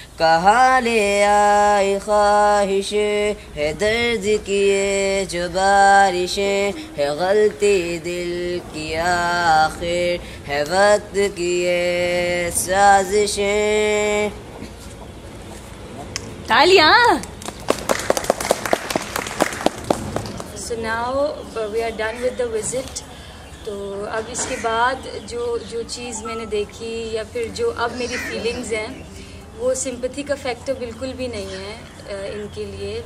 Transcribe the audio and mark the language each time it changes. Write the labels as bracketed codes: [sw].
[hi] कहाँ ले आई ख्वाहिश है दर्द किए जो बारिशें, है गलती दिल की आखिर है वक्त किए साजिशें। तालियां। [en] So now we are done with the visit. [hi] तो अब इसके बाद जो जो चीज़ मैंने देखी या फिर जो अब मेरी फीलिंग्स हैं, वो सिंपथी का फैक्टर बिल्कुल भी नहीं है इनके लिए।